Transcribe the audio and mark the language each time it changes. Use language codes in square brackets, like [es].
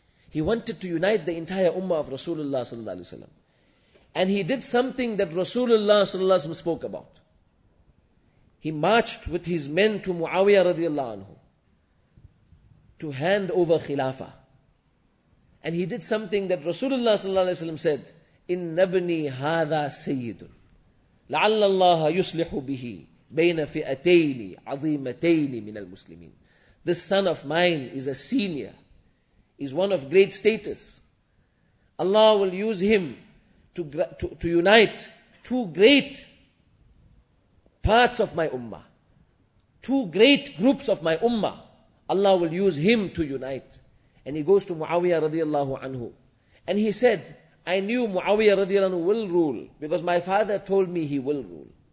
[en] He wanted to unite the entire ummah of Rasulullah sallallahu alaihi wasallam. And he did something that Rasulullah sallallahu alaihi wasallam spoke about. He marched with his men to Muawiyah radiallahu anhu to hand over Khilafah. And he did something that Rasulullah sallallahu alaihi wasallam said, [ar] إِنَّ بْنِي هَذَا سَيِّدٌ لَعَلَّ اللَّهَ يُسْلِحُ بِهِ بَيْنَ فِئَتَيْنِ عَظِيمَتَيْنِ مِنَ الْمُسْلِمِينَ [en] This son of mine is a senior, is one of great status. Allah will use him to unite two great parts of my ummah, two great groups of my ummah. Allah will use him to unite. And he goes to Muawiyah radiallahu anhu. And he said, I knew Muawiyah radiallahu anhu will rule because my father told me he will rule.